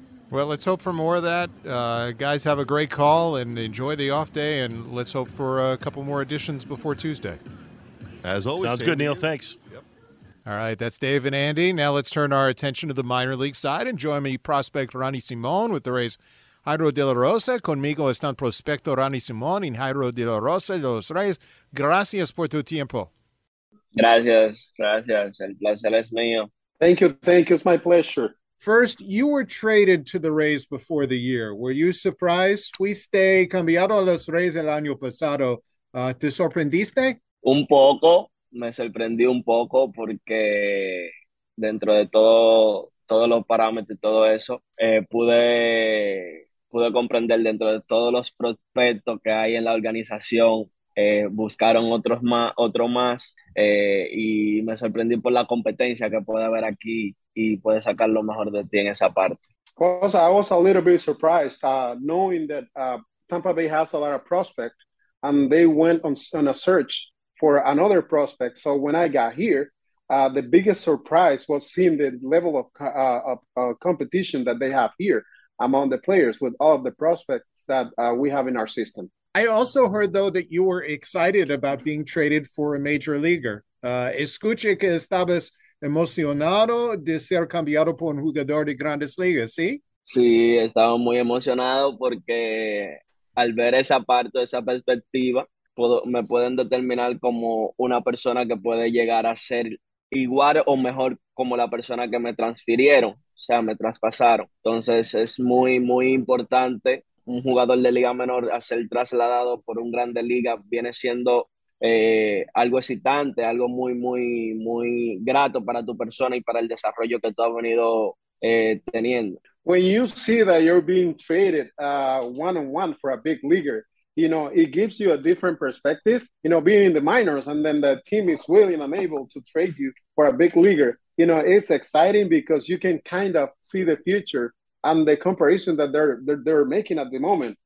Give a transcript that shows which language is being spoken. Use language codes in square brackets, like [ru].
[en] Well, let's hope for more of that. Guys, have a great call and enjoy the off day, and let's hope for a couple more additions before Tuesday. As always, sounds good, Neil. Thanks. Yep. All right, that's Dave and Andy. Now let's turn our attention to the minor league side and join me, prospect Ronnie Simon with the Rays. [es] Jairo De La Rosa, conmigo están prospecto Ronnie Simon y Jairo De La Rosa de los Rays. Gracias por tu tiempo. Gracias, gracias. El placer es mío. [en] Thank you, thank you. It's my pleasure. First, you were traded to the Rays before the year. Were you surprised? [es] Fuiste cambiado a los Rays el año pasado. ¿Te sorprendiste? Un poco. Me sorprendí un poco porque dentro de todos los parámetros y todo eso, pude comprender dentro de todos los prospectos que hay en la organización, buscaron otro más y me sorprendí por la competencia que puede haber aquí. Y puede sacar lo mejor de ti en esa parte. [en] Because I was a little bit surprised knowing that Tampa Bay has a lot of prospects and they went on a search for another prospect. So when I got here, the biggest surprise was seeing the level of competition that they have here among the players with all of the prospects that we have in our system. I also heard, though, that you were excited about being traded for a major leaguer. [es] Escuché que estabas emocionado de ser cambiado por un jugador de grandes ligas, ¿sí? Sí, estaba muy emocionado porque al ver esa parte, esa perspectiva, me pueden determinar como una persona que puede llegar a ser igual o mejor como la persona que me transfirieron, o sea, me traspasaron. Entonces es muy, muy importante un jugador de liga menor a ser trasladado por un grande liga viene siendo algo excitante, algo muy, muy, muy grato para tu persona y para el desarrollo que tú has venido teniendo. [en] When you see that you're being traded one-on-one for a big leaguer, you know, it gives you a different perspective. You know, being in the minors and then the team is willing and able to trade you for a big leaguer, you know, it's exciting because you can kind of see the future and the comparison that they're making at the moment.